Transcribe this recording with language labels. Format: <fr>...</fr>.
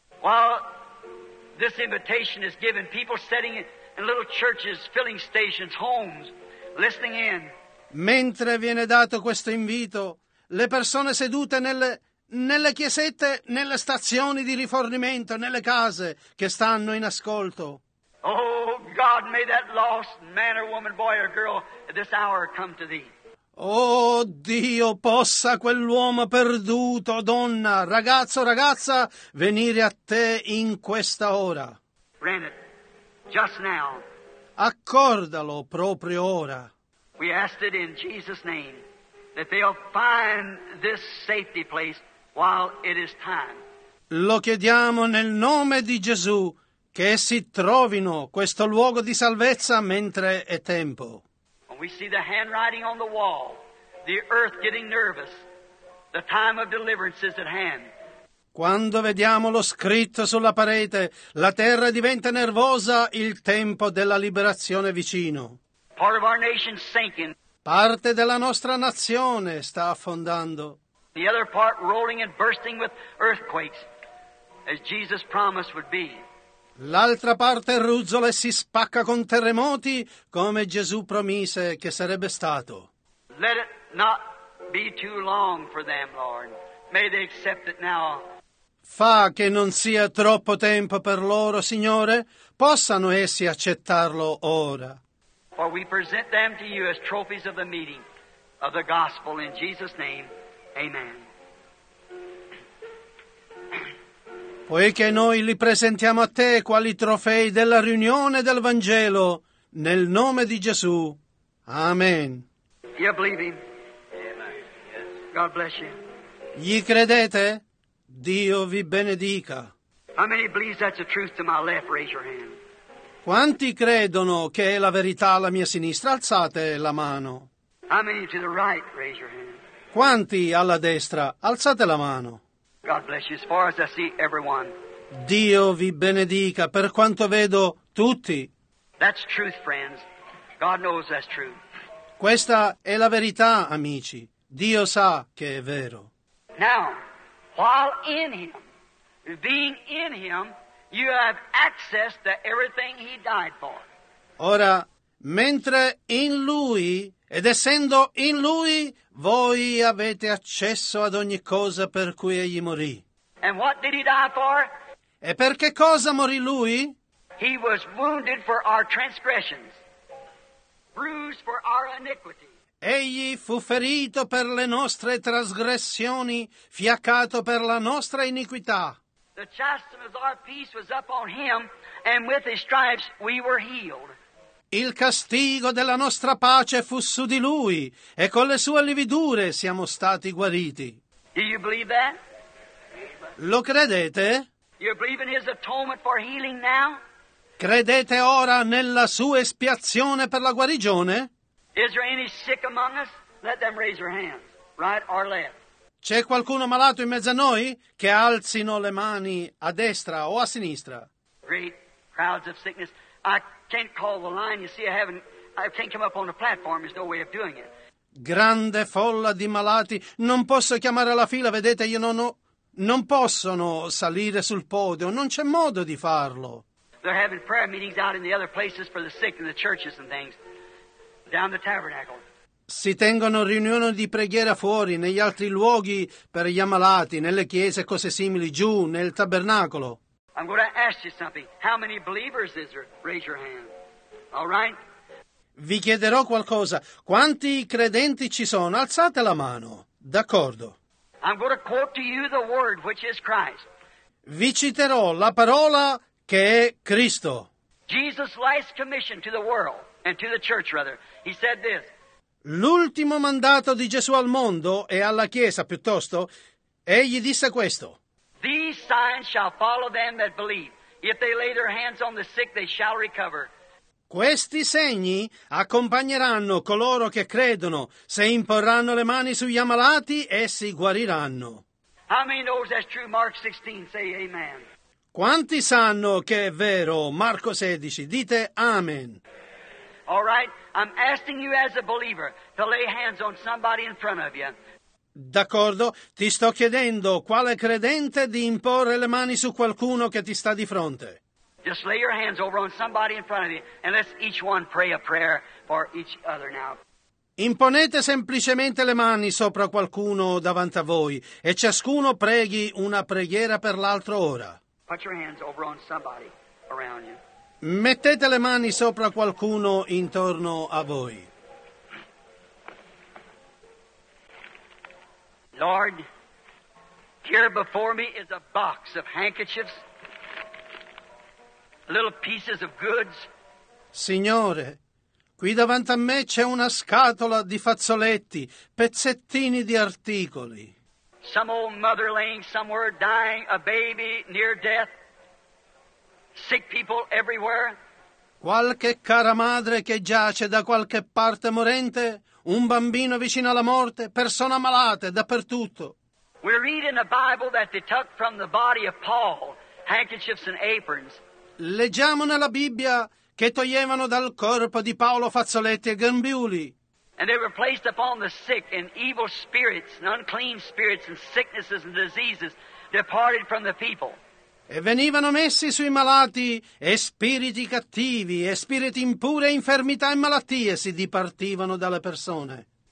<en>While this invitation is given, people sitting in little churches, filling stations, homes, listening in.</en> <it>Mentre viene dato questo invito, le persone sedute nelle chiesette, nelle stazioni di rifornimento, nelle case che stanno in ascolto.</it> <en>Oh God, may that lost man or woman, boy or girl at this hour come to thee.</en> <it>Oh Dio, possa quell'uomo perduto, donna, ragazzo, ragazza, venire a te in questa ora.</it> <en>Grant it, just now.</en> <it>Accordalo proprio ora.</it> <en>We ask it in Jesus' name, that they'll find this safety place while it is time.</en> <it>Lo chiediamo nel nome di Gesù. Che si trovino questo luogo di salvezza mentre è tempo.</it> <en>When we see the handwriting on the wall, the earth getting nervous, the time of deliverance is at hand.</en> <it>Quando vediamo lo scritto sulla parete, la terra diventa nervosa, il tempo della liberazione è vicino.</it> <en>Part of our nation sinking.</en> <it>Parte della nostra nazione sta affondando.</it> <en>The other part rolling and bursting with earthquakes, as Jesus promised would be.</en> <it>L'altra parte ruzzola e si spacca con terremoti, come Gesù promise che sarebbe stato.</it> <en>Let it not be too long for them, Lord. May they accept it now.</en> <it>Fa che non sia troppo tempo per loro, Signore. Possano essi accettarlo ora.</it> <en>For we present them to you as trophies of the meeting of the gospel in Jesus' name. Amen.</en> <it>Poiché noi li presentiamo a te quali trofei della riunione del Vangelo, nel nome di Gesù. Amen.</it> <en>You believe him? God bless you.</en> <it>Gli credete? Dio vi benedica.</it> <en>How many believe that's the truth to my left? Raise your hand.</en> <it>Quanti credono che è la verità alla mia sinistra? Alzate la mano.</it> <en>How many to the right? Raise your hand.</en> <it>Quanti alla destra? Alzate la mano.</it> <en>God bless you, as far as I see everyone.</en> <it>Dio vi benedica, per quanto vedo tutti.</it> <en>That's truth, friends. God knows that's true.</en> <it>Questa è la verità, amici. Dio sa che è vero.</it> <en>Now, while in him, being in him, you have access to everything he died for.</en> <it>Ora, mentre in lui, ed essendo in lui, voi avete accesso ad ogni cosa per cui egli morì.</it> <en>And what did he die for?</en> <it>E per che cosa morì lui?</it> <en>He was wounded for our transgressions, bruised for our iniquity.</en> <it>Egli fu ferito per le nostre trasgressioni, fiaccato per la nostra iniquità.</it> <en>The chastisement of our peace was upon him, and with his stripes we were healed.</en> <it>Il castigo della nostra pace fu su di lui, e con le sue lividure siamo stati guariti.</it> <en>Do you believe that?</en> <it>Lo credete?</it> <en>You believe in his atonement for healing now?</en> <it>Credete ora nella sua espiazione per la guarigione?</it> <en>Is there any sick among us? Let them raise their hands, right or left.</en> <it>C'è qualcuno malato in mezzo a noi? Che alzino le mani a destra o a sinistra.</it> <en>Great crowds of sickness. I can't call the line. You see, I can't come up on the platform. There's no way of doing it.</en> <it>Grande folla di malati. Non posso chiamare la fila. Vedete, io non ho... Non possono salire sul podio. Non c'è modo di farlo.</it> <en>They're having prayer meetings out in the other places for the sick in the churches and things. Down the tabernacle.</en> <it>Si tengono riunioni di preghiera fuori, negli altri luoghi, per gli ammalati, nelle chiese e cose simili, giù, nel tabernacolo.</it> <en>I'm going to ask you something. How many believers is there? Raise your hand. All right?</en> <it>Vi chiederò qualcosa. Quanti credenti ci sono? Alzate la mano. D'accordo.</it> <en>I'm going to quote to you the word which is Christ.</en> <it>Vi citerò la parola che è Cristo.</it> <en>Jesus' last commission to the world, and to the church rather. He said this.</en> <it>L'ultimo mandato di Gesù al mondo e alla Chiesa, piuttosto, egli disse questo.</it> <en>These signs shall follow them that believe. If they lay their hands on the sick, they shall recover.</en> <it>Questi segni accompagneranno coloro che credono. Se imporranno le mani sugli ammalati, essi guariranno.</it> <en>How many knows that's true? Mark 16, say amen.</en> <it>Quanti sanno che è vero? Marco 16, dite amen.</it> <en>All right, I'm asking you as a believer to lay hands on somebody in front of you.</en> <it>D'accordo, ti sto chiedendo, quale credente, di imporre le mani su qualcuno che ti sta di fronte.</it> <en>Just lay your hands over on somebody in front of you and let's each one pray a prayer for each other now.</en> <it>Imponete semplicemente le mani sopra qualcuno davanti a voi e ciascuno preghi una preghiera per l'altro ora.</it> <en>Put your hands over on somebody around you.</en> <it>Mettete le mani sopra qualcuno intorno a voi.</it> <en>Lord, here before me is a box of handkerchiefs, little pieces of goods.</en> <it>Signore, qui davanti a me c'è una scatola di fazzoletti, pezzettini di articoli.</it> <en>Some old mother laying somewhere dying, a baby near death. Sick people everywhere.</en> <it>Qualche cara madre che giace da qualche parte morente, un bambino vicino alla morte, persone ammalate dappertutto.</it> <en>We read in the Bible that they took from the body of Paul handkerchiefs and aprons.</en> <it>Leggiamo nella Bibbia che toglievano dal corpo di Paolo fazzoletti e grembiuli.</it> <en>And they were placed upon the sick, and evil spirits and unclean spirits and sicknesses and diseases departed from the people.</en> <it>E venivano messi sui malati, e spiriti cattivi, e spiriti impuri, e infermità e malattie si dipartivano dalle persone.</it>